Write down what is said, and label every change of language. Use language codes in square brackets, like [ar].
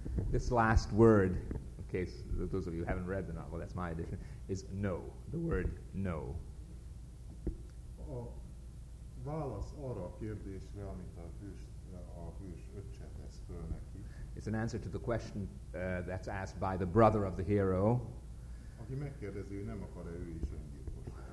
[en] This last word, in case those of you haven't read the novel, that's my edition, is no, the word no. [hu] A válasz arra a kérdésre, amit a hős öccse tesz föl neki. [en] It's an answer to the question that's asked by the brother of the hero. [hu] Aki megkérdezi, hogy nem akar-e ő is öngyilkos.